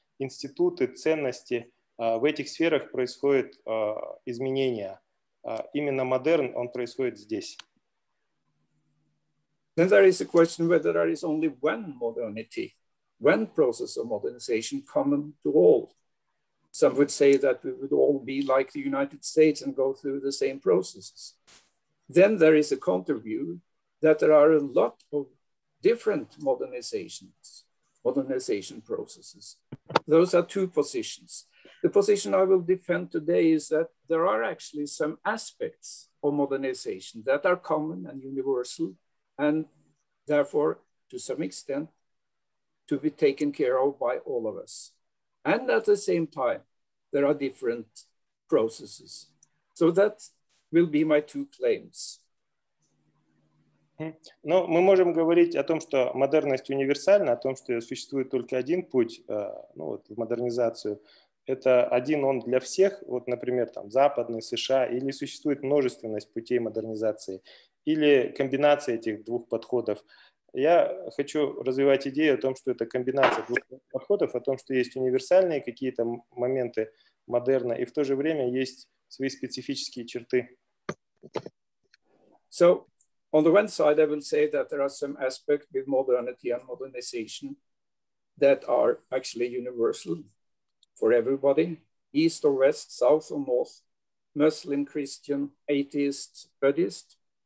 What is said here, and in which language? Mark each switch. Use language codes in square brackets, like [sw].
[ru] Институты, ценности — в этих сферах происходят изменения. Именно модерн, он происходит здесь. [en] Then there is a question whether there is only one modernity, one process of modernization common to all. Some would say that we would all be like the United States and go through the same processes. Then there is a counterview that there are a lot of different modernizations, modernization processes. Those are two positions. The position I will defend today is that there are actually some aspects of modernization that are common and universal and therefore, to some extent, to be taken care of by all of us. And at the same time, there are different processes. So that will be my two claims. [ru] Ну, мы можем говорить о том, что модерность универсальна, о том, что существует только один путь ну, вот, в модернизацию. Это один он для всех, вот, например, там, западный, США, или существует множественность путей модернизации, или комбинация этих двух подходов. Я хочу развивать идею о том, что это комбинация двух подходов, о том, что есть универсальные какие-то моменты модерна, и в то же время есть свои специфические черты. [en] So, on the one side, I will say that there are some aspects with modernity and modernization that are actually universal for everybody, east or west, south or north, Muslim, Christian, atheist, Buddhist.